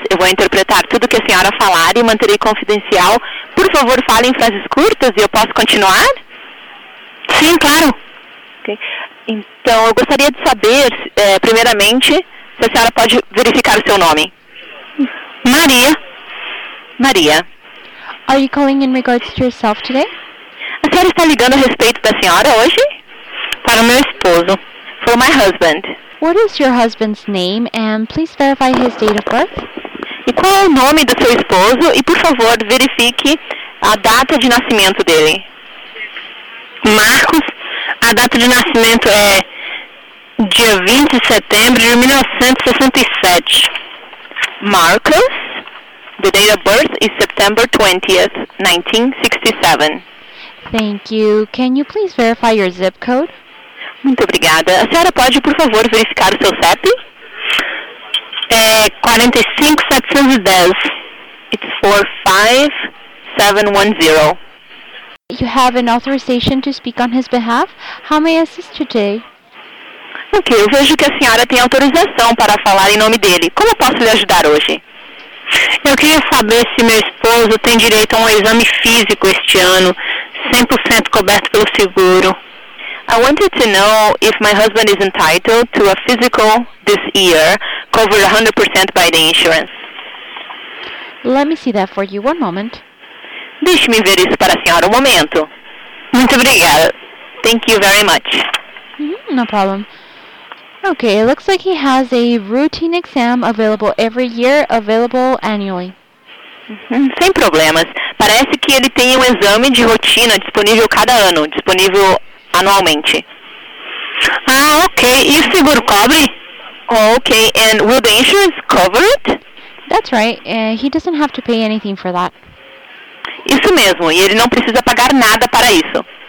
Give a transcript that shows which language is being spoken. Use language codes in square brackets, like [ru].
[pt] Eu vou interpretar tudo que a senhora falar e manterei confidencial. Por favor, fale em frases curtas e eu posso continuar? Sim, claro. Okay. Então, eu gostaria de saber, primeiramente, se a senhora pode verificar o seu nome. Maria. Maria. [en] Are you calling in regards to yourself today? [pt] A senhora está ligando a respeito da senhora hoje? Para o meu esposo. [en] For my husband. What is your husband's name and please verify his date of birth? [pt] E qual é o nome do seu esposo e, por favor, verifique a data de nascimento dele. Marcos, a data de nascimento é dia 20 de setembro de 1967. [en] Marcos, the date of birth is September 20th, 1967. Thank you. Can you please verify your zip code? [pt] Muito obrigada. A senhora pode, por favor, verificar o seu CEP? É 45710. [en] It's 45710. You have an authorization to speak on his behalf. How may I assist today? [pt] Ok, eu vejo que a senhora tem autorização para falar em nome dele. Como eu posso lhe ajudar hoje? Eu queria saber se meu esposo tem direito a um exame físico este ano, 100% coberto pelo seguro. [en] I wanted to know if my husband is entitled to a physical this year, covered 100% by the insurance. Let me see that for you. One moment. [pt] Deixe-me ver isso para a senhora, um momento. Muito obrigada. [en] Thank you very much. No problem. Okay, it looks like he has a routine exam available every year, available annually. [pt] Sem problemas. Parece que ele tem um exame de rotina disponível cada ano, disponível anualmente. Ah, okay. E o seguro cobre? [en] Oh, okay, and will the insurance cover it? That's right. He doesn't have to pay anything for that. [pt] Isso mesmo, e ele não precisa pagar nada para isso.